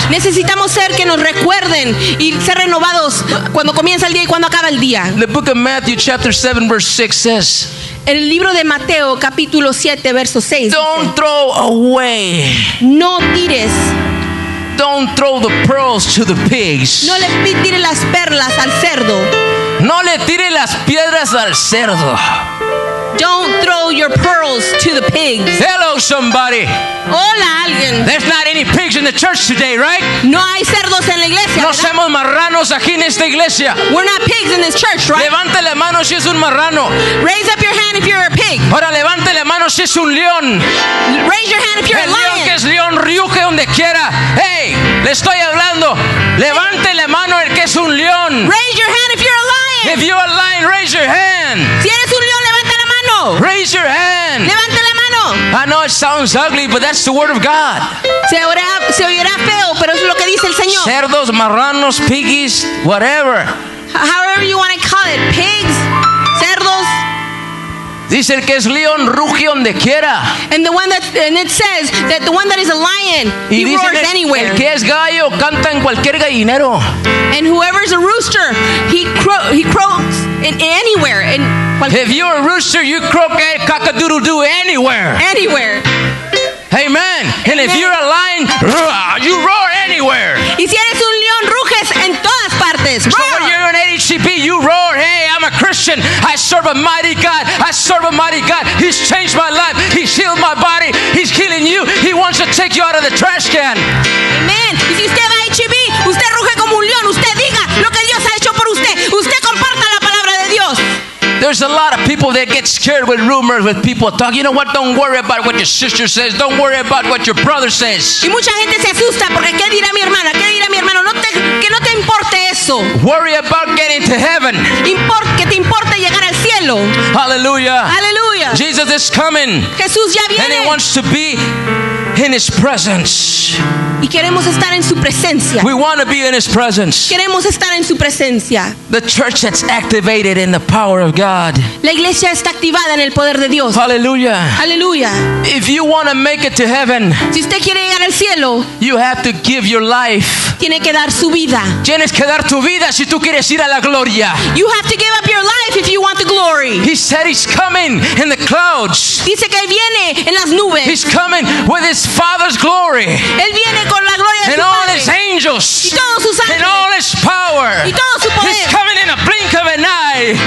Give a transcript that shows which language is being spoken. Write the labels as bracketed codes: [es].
[es] Necesitamos ser que nos recuerden y ser renovados cuando comienza el día y cuando acaba el día. [en] The book of Matthew chapter 7 verse 6 says. [es] El libro de Mateo capítulo 7 verso 6. [en] Don't throw away. [es] No tires. [en] Don't throw the pearls to the pigs. [es] No le tire las perlas al cerdo. No le tire las piedras al cerdo. [en] Don't throw your pearls to the pigs. Hello, somebody. [es] Hola, alguien. [en] There's not any pigs in the church today, right? [es] No hay cerdos en la iglesia, no Somos marranos aquí en esta iglesia. [en] We're not pigs in this church, right? [es] Levante la mano si es un marrano. [en] Raise up your hand if you're a pig. [es] Ahora levante la mano si es un león. [en] Raise your hand if you're [es] El [en] a lion. [es] El león que es león ruge donde quiera. Hey, le estoy hablando. Levante la mano el que es un león. [en] Raise your hand if you're a lion. If you're a lion, raise your hand. [es] Si eres un león, levanta la mano. [en] Raise your hand. [es] Levanta la mano. [en] I know it sounds ugly, but that's the word of God. [es] Se oirá feo, pero es lo que dice el Señor. Cerdos, marranos, [en] piggies, whatever. However you want to call it, pigs, cerdos. [es] Dice el que es león ruge donde quiera. [en] And the one that and it says that the one that is a lion [es] y [en] he roars [es] el, [en] anywhere. [es] El que es gallo canta en cualquier gallinero. [en] And whoever is a rooster, he croaks in anywhere. In If you're a rooster, you croak a cock-a-doodle-doo anywhere. Anywhere. Amen. Amen. And if you're a lion, you roar anywhere. [es] Y si eres un león, ruges en todas partes. [en] So when you're an ADCP, you roar. Hey, I'm a Christian. I serve a mighty God. I serve a mighty God. He's changed my life. He's healed my body. He's healing you. He wants to take you out of the trash can. Amen. [es] Y si usted va a ADCP, usted ruge como un león. Usted diga lo que Dios ha hecho por usted. Usted comparta la palabra de Dios. [en] There's a lot of people that get scared with rumors, with people talking. You know what? Don't worry about what your sister says. Don't worry about what your brother says. [es] Y mucha gente se asusta porque ¿qué dirá mi hermana? ¿Qué dirá mi hermano? No te importe eso. [en] Worry about getting to heaven. [es] Que te importe llegar al cielo. Hallelujah. Hallelujah. [en] Jesus is coming. [es] Jesús ya viene. [en] And he wants to be in his presence. [es] Y queremos estar en su presencia. [en] We want to be in his presence. [es] Queremos estar en su presencia. [en] The church that's activated in the power of God. [es] La iglesia está activada en el poder de Dios. Hallelujah. Hallelujah. [en] If you want to make it to heaven, [es] si usted quiere llegar al cielo, [en] you have to give your life. [es] Tiene que dar su vida. Tienes que dar tu vida si tú quieres ir a la gloria. [en] You have to give up your life if you want the glory. He said he's coming in the clouds. [es] Dice que viene en las nubes. [en] He's coming with his Father's glory. [es] Él viene con la gloria de [en] and all [es] Padre. [en] His angels. [es] Y todos sus ángeles. [en] And all his power. [es] Y todo su poder. [en] He's coming in a blink of an eye.